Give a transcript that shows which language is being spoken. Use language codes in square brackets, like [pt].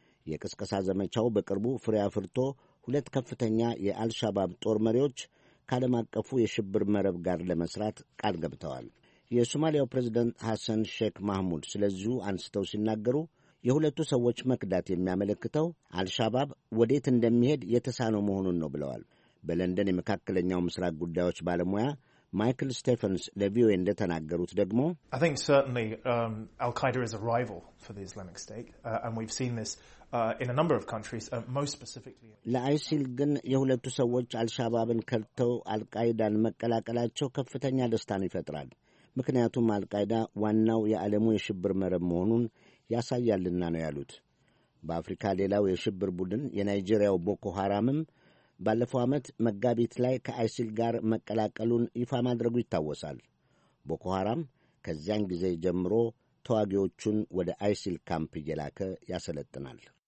[am] የቅስቀሳ ዘመቻው በቅርቡ ፍሬ አፍርቶ ሁለት ከፍተኛ የአልሻባብ ጦር መሪዎች ከዓለም አቀፉ የሽብር መረብ ጋር ለመስራት ቃል ገብተዋል። የሶማሊያው ፕሬዚደንት ሐሰን ሼክ ማህሙድ ስለዚሁ አንስተው ሲናገሩ የሁለቱ ሰዎች መክዳት የሚያመለክተው አልሻባብ ወዴት እንደሚሄድ የተሳነው መሆኑን ነው ብለዋል። በለንደን የመካከለኛው ምስራቅ ጉዳዮች ባለሙያ ማይክል ስቴፈንስ ለቪኦኤ እንደተናገሩት ደግሞ [en] አልቃይዳ is a rival for the Islamic State and we've seen this in a number of countries most specifically [am] ለአይሲል ግን የሁለቱ ሰዎች አልሻባብን ከርተው አልቃይዳን መቀላቀላቸው ከፍተኛ ደስታን ይፈጥራል። ምክንያቱም አልቃይዳ ዋናው የዓለሙ የሽብር መረብ መሆኑን ያሳያልና ነው ያሉት። በአፍሪካ ሌላው የሽብር ቡድን የናይጄሪያው ቦኮ ሐራምም ባለፈው ዓመት መጋቢት ላይ ከአይሲል ጋር መቀላቀሉን ይፋ ማድረጉ ይታወሳል። ቦኮ ሐራም ከዚያን ጊዜ ጀምሮ ተዋጊዎቹን ወደ አይሲል ካምፕ እየላከ ያሰለጥናል።